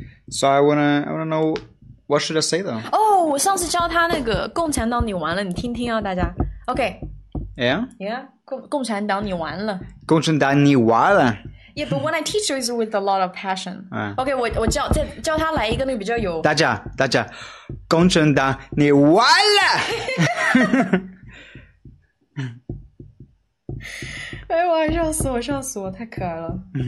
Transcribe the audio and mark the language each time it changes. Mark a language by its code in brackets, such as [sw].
[en] So I wanna know what should I say though? [zh] 哦，我上次教他那个共产党你完了，你听听啊，大家。 [en] OK，Yeah， [zh] 共产党你完了。共产党你完了。 [en] Yeah, but when I teach you, it's with a lot of passion. [zh] OK，我教他来一个那个比较有。大家，共产党你完了。哎呦，我笑死我，笑死我，太可爱了。